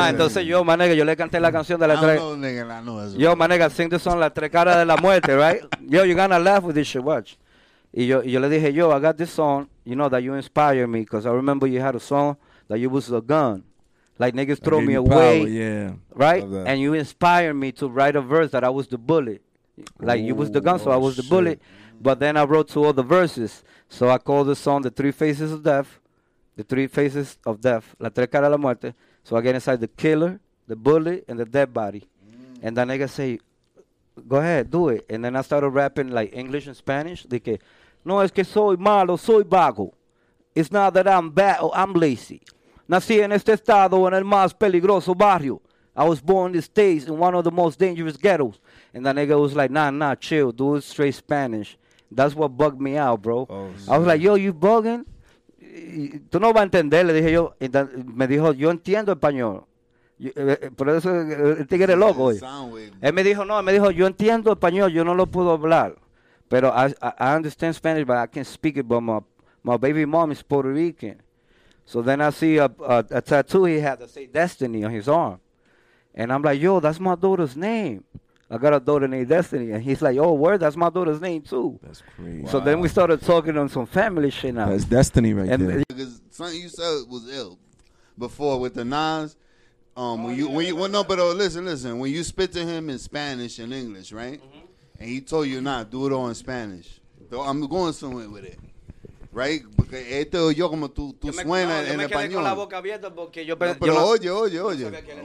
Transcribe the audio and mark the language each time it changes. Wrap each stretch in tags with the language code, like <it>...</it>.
<es>Ah, entonces yo,</es> <en>my nigga,</en> <es>yo le canté la canción de la tres.</es> <en>Yo, my nigga, sing the song,</en> <es>la tres caras de la muerte,</es> <en>right? Yo, you're gonna laugh with this shit, watch.</en> <es>Y yo le dije,</es> <en>yo, I got this song, you know, that you inspired me, because I remember you had a song that you was a gun. Like niggas throw me away, yeah. Right? And you inspired me to write a verse that I was the bullet. Like, you was the gun, so I was the bullet. But then I wrote two other verses. So I called the song The Three Faces of Death. The Three Faces of Death. La Tres Caras de la Muerte. So I get inside the killer, the bully, and the dead body. And the nigga say, go ahead, do it. And then I started rapping like English and Spanish.</en> <es>Dije, no es que soy malo, soy vago.</es> <en>It's not that I'm bad or I'm lazy.</en> <es>Nací en este estado en el más peligroso barrio.</es> <en>I was born in the States in one of the most dangerous ghettos. And the nigga was like, nah, chill, do it straight Spanish. That's what bugged me out, bro. Oh, I was like, yo, you bugging?</en> <es>Tú no vas a entender, le dije yo. Me dijo, yo entiendo español. Por eso el tigre es loco. Él me dijo, yo entiendo español, yo no lo puedo hablar.</es> <en>Pero I understand Spanish, but I can't speak it, but my baby mom is Puerto Rican. So then I see a tattoo he had that say Destiny on his arm. And I'm like, yo, that's my daughter's name. I got a daughter named Destiny. And he's like, oh, word, that's my daughter's name, too. That's crazy. So wow. Then we started talking on some family shit now. That's Destiny right and there. Because something you said was ill before with the Nas. Listen. When you spit to him in Spanish and English, right? Mm-hmm. And he told you not, do it all in Spanish. So I'm going somewhere with it. Right?</en> <es>Porque este yo como tú suena en español.</es>